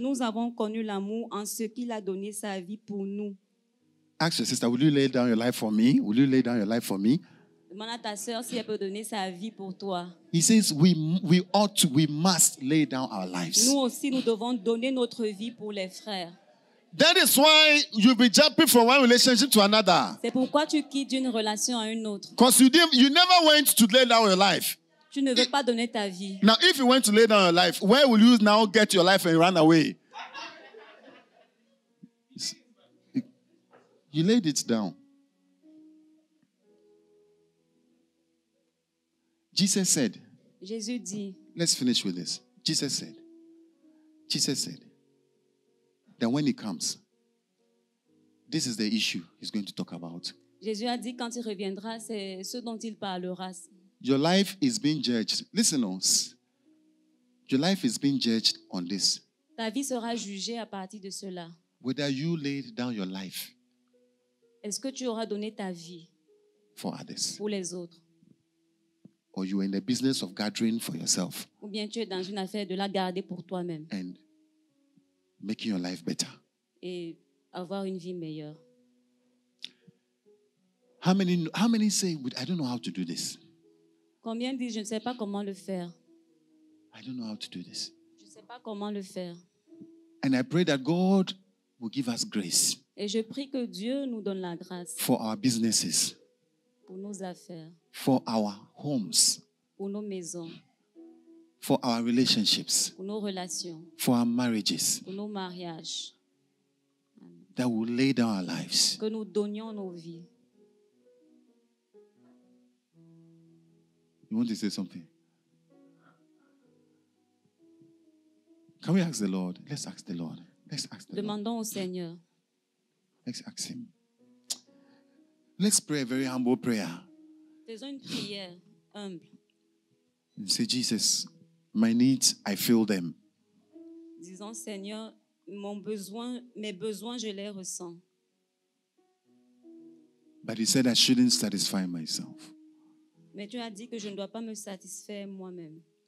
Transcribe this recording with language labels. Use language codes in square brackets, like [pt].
[fr] Nous avons connu l'amour en ce qu'il a donné sa vie pour nous. [en] Ask your sister, will you lay down your life for me? Will you lay down your life for me? [fr] Demande à ta sœur si elle peut donner sa vie pour toi. [en] He says we must lay down our lives. [fr] Nous aussi nous devons donner notre vie pour les frères. [en] That is why you be jumping from one relationship to another. [fr] C'est pourquoi tu quittes d'une relation à une autre. [en] Because you never went to lay down your life. [fr] Tu ne veux pas donner ta vie. [en] Now if you went to lay down your life, where will you now get your life and run away? You laid it down. Jesus said, [fr] Jésus dit, [en] let's finish with this. Jesus said, that when he comes, this is the issue he's going to talk about. [fr] Jésus a dit, quand il reviendra, c'est ce dont il parlera. [en] Your life is being judged. Listen, us. Your life is being judged on this. [fr] Ta vie sera jugée à partir de cela. [en] Whether you laid down your life. [fr] Est-ce que tu auras donné ta vie [en] for others? [fr] Pour les autres. [en] Or you are in the business of gathering for yourself. [fr] Ou bien tu es dans une affaire de la garder pour toi-même. [en] And making your life better. [fr] Et avoir une vie meilleure. [en] How many say, I don't know how to do this. [fr] Combien disent, je ne sais pas comment le faire. [en] I don't know how to do this. [fr] Je ne sais pas comment le faire. [en] And I pray that God will give us grace. [fr] Et je prie que Dieu nous donne la grâce. [en] For our businesses. [fr] Pour nos affaires. [en] For our homes. [fr] Pour nos maisons. [en] For our relationships. [fr] Pour nos relations. [en] For our marriages. [fr] Pour nos mariages. [en] That will lay down our lives. [fr] Que nous donnions nos vies. [en] You want to say something? Can we ask the Lord? Let's ask the Lord. Let's ask the [fr] Demandons [en] Lord. [fr] Au Seigneur. [en] Let's ask him. Let's pray a very humble prayer. [fr] Faisons une prière humble. [en] And say, Jesus, my needs, I feel them. [fr] Disons, Seigneur, mon besoin, mes besoins, je les ressens. [en] But he said, I shouldn't satisfy myself. [fr] Mais tu as dit que je ne dois pas me satisfaire moi-même.